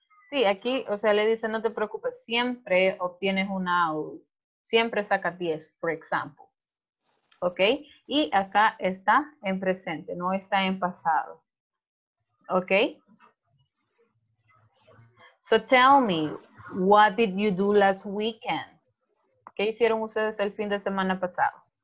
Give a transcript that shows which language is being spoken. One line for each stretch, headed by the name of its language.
Spanish: Sí, aquí, o sea, le dice, no te preocupes, siempre obtienes una O. Siempre sacas 10,
English: for example.
Spanish: Ok. Y acá está en presente, no está en pasado. Ok.
English: So tell me, what did you do last weekend?
Spanish: ¿Qué hicieron ustedes el fin de semana pasado?